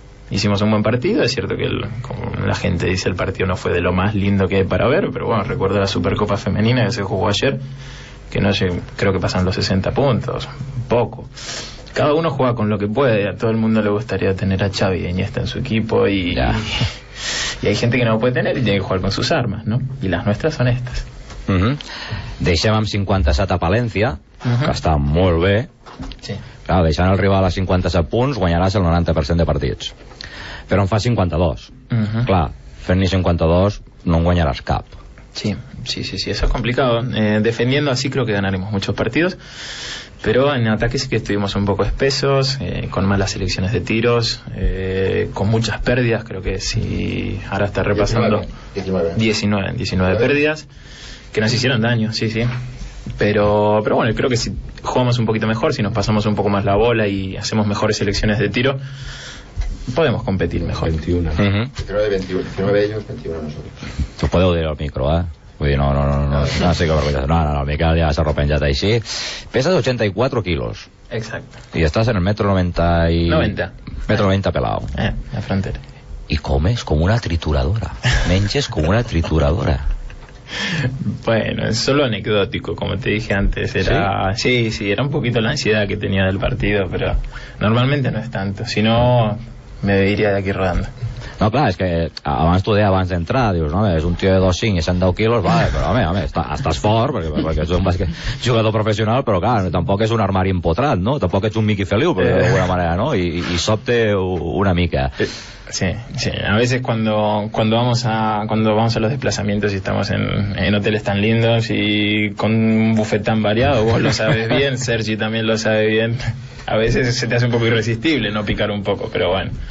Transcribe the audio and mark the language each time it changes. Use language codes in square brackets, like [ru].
[es] Hicimos un buen partido, es cierto que como la gente dice, el partido no fue de lo más lindo que hay para ver, pero bueno, recuerdo la Supercopa Femenina que se jugó ayer, que no sé, creo que pasan los 60 puntos, poco. Cada uno juega con lo que puede, a todo el mundo le gustaría tener a Xavi e Iniesta en su equipo y hay gente que no lo puede tener y tiene que jugar con sus armas, ¿no? Y las nuestras son estas. [ca] Deixem 57 a Palencia, que està molt bé. Sí. Clar, deixant el rival a 57 punts, guanyaràs el 90% de partits. Però en fa 52. Clar, fent-ne 52, no en guanyaràs cap. [es] Sí, sí, sí, sí, eso es complicado. Defendiendo así creo que ganaremos muchos partidos. Pero en ataque sí que estuvimos un poco espesos, con malas selecciones de tiros, con muchas pérdidas, creo que sí. Ahora está repasando 19 pérdidas. Que nos hicieron daño, sí, sí. Pero bueno, creo que si jugamos un poquito mejor, si nos pasamos un poco más la bola y hacemos mejores selecciones de tiro, podemos competir mejor. 21, ¿no? Creo que 21. 21 de ellos, 21 nosotros. Tú puedes oír al micro, ¿eh? No sé qué vergüenza. No, Miquel ya se arropenja de ahí, sí. Pesas 84 kilos. Exacto. Y estás en el metro 90 y... 90. Metro 90 pelado. La frontera. Y comes como una trituradora. Menches como una trituradora. Bueno, es solo anecdótico, como te dije antes, era sí, era un poquito la ansiedad que tenía del partido, pero normalmente no es tanto, si no me iría de aquí rodando. [ca] No, clar, és que abans d'entrar, dius, no, és un tio de 2,5 i 110 quilos, vale, però home, estàs fort, perquè ets un bàsquet jugador professional, però clar, tampoc és un armari empotrat, no? Tampoc ets un Miqui Feliu, però d'alguna manera, no? I sobte una mica. [es] Sí, sí, a veces cuando vamos a los desplazamientos y estamos en hoteles tan lindos y con un buffet tan variado, vos lo sabes bien, Sergi también lo sabe bien, a veces se te hace un poco irresistible no picar un poco, pero bueno.